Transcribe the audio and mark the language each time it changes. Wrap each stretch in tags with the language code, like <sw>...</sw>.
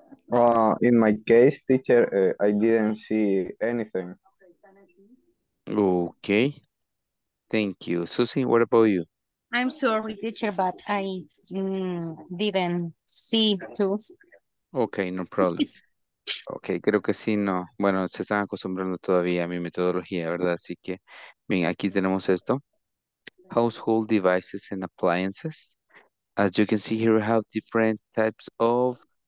<en>In my case, teacher, I didn't see anything. Okay. Thank you. Susie, what about you? I'm sorry, teacher, but I didn't see too. Okay, no problem. Ok,</en> <es>creo que sí, no. Bueno, se están acostumbrando todavía a mi metodología, ¿verdad? Así que, bien, aquí tenemos esto.</es> <en>Household devices and appliances. As you can see here, we have different types of</en>